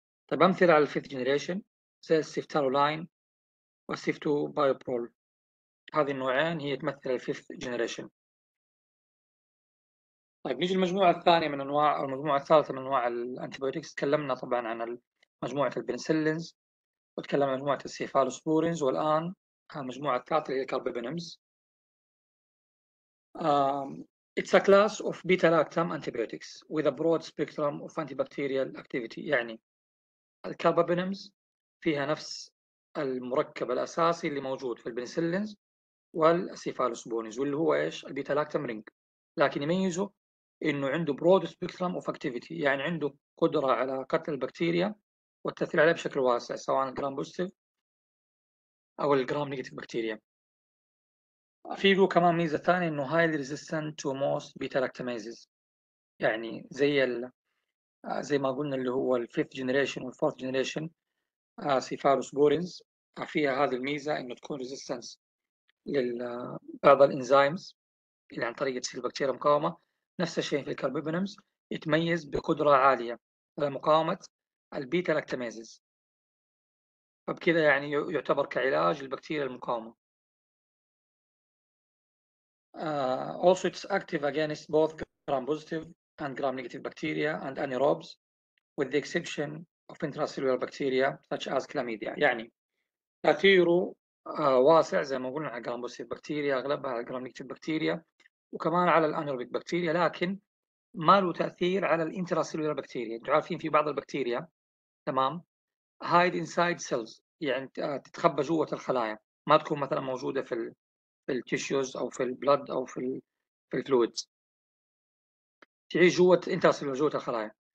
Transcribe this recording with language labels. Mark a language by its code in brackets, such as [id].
[ar] طيب أمثلة على الـ fifth generation زي السيفتالولاين والسيفتو بايوبرول، هذه النوعين هي تمثل الـ fifth generation. طيب نيجي المجموعة الثانية من أنواع أو المجموعة الثالثة من أنواع الأنتيبيوتكس. تكلمنا طبعا عن مجموعة البنسلينز وتكلمنا عن مجموعة السيفالوسبورينز، والآن المجموعة الثالثة هي الكاربابينمز. [en] It's a class of beta-lactam antibiotics with a broad spectrum of antibacterial activity. [ar] يعني الكاربابينمز فيها نفس المركب الأساسي اللي موجود في البنسلينز والسيفالوسبورينز واللي هو إيش البيتا-لاكتام رينج، لكن يميزه إنه عنده [en] broad spectrum of activity، [ar] يعني عنده قدرة على قتل البكتيريا والتأثير عليها بشكل واسع سواء الجرام بوزيتيف أو الجرام نيجاتيف بكتيريا. فيه كمان ميزة ثانية إنه [en] highly resistant to most beta lactamases، [ar] يعني زي ما قلنا اللي هو [en] the fifth generation and fourth generation cephalosporins [ar] فيها هذه الميزة إنه تكون resistance لبعض الإنزيمز اللي عن طريق تصير البكتيريا مقاومة. نفس الشيء في الكاربابينمز يتميز بقدرة عالية على مقاومة البيتا لاكتاميزز، فبكذا يعني يعتبر كعلاج البكتيريا المقاومة. [en] Also it's active against both gram positive and gram negative bacteria and anaerobes with the exception of intracellular bacteria such as chlamydia. [ar] يعني تأثيره واسع زي ما قلنا على gram positive bacteria أغلبها على gram negative bacteria وكمان على الانيروبيك بكتيريا، لكن ما له تاثير على الانتراسيلولار بكتيريا. انتوا عارفين في بعض البكتيريا تمام هايد انسايد سيلز، يعني تتخبى جوه الخلايا ما تكون مثلا موجوده في التيشوز او في البلد او في الفلويدز، تعيش جوه انتراسيلولار جوه الخلايا.